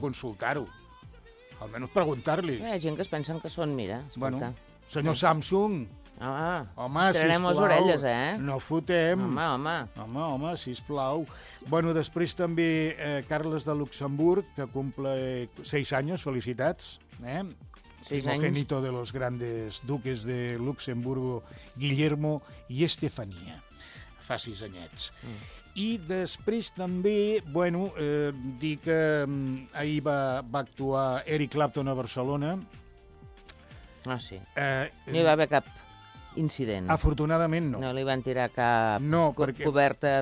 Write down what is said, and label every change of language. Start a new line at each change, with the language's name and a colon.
Catalan: consultar-ho. Almenys preguntar-li. Hi ha gent que es pensen que són, mira, escolta. Bueno, senyor sí. Samsung, home, sisplau. Estrenem les orelles, eh? No fotem. Home. Home, sisplau. Bueno, després també Carles de Luxemburg, que cumple 6 anys, felicitats. 6 anys.
Spanish: Primogénito de los grandes duques de Luxemburgo, Guillermo y Estefanía.
Catalan: Fa 6 anyets. I després també, bueno, dir que ahir va actuar Eric Clapton a Barcelona. Ah, sí. No hi va haver cap incident. Afortunadament, no. No li van tirar cap coberta